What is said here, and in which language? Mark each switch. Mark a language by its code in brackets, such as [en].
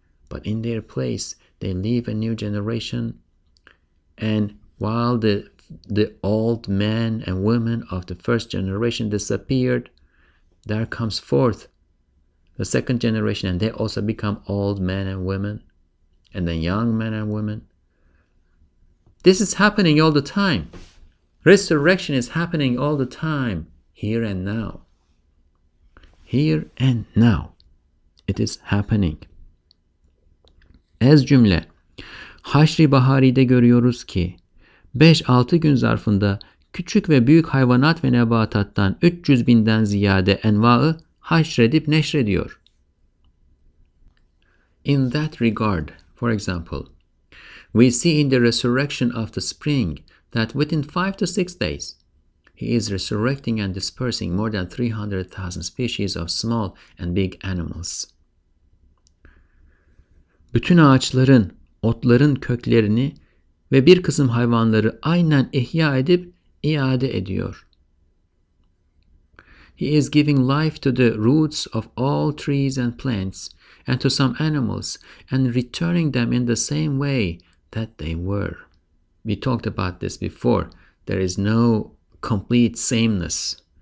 [en] But in their place, they leave a new generation. And while the old men and women of the first generation disappeared, there comes forth the second generation, and they also become old men and women, and then young men and women. This is happening all the time. Resurrection is happening all the time, here and now. Here and now, it is happening. [tr] Ez cümle, Haşr-ı Bahari'de görüyoruz ki, 5-6 gün zarfında küçük ve büyük hayvanat ve nebatattan 300 binden ziyade enva'ı haşredip neşrediyor. [en] In that regard, for example, we see in the resurrection of the spring that within 5 to 6 days, he is resurrecting and dispersing more than 300,000 species of small and big animals. [tr] Bütün ağaçların, otların köklerini ve bir kısım hayvanları aynen ihya edip iade ediyor. [en] He is giving life to the roots of all trees and plants and to some animals and returning them in the same way that they were. We talked about this before. There is no complete sameness.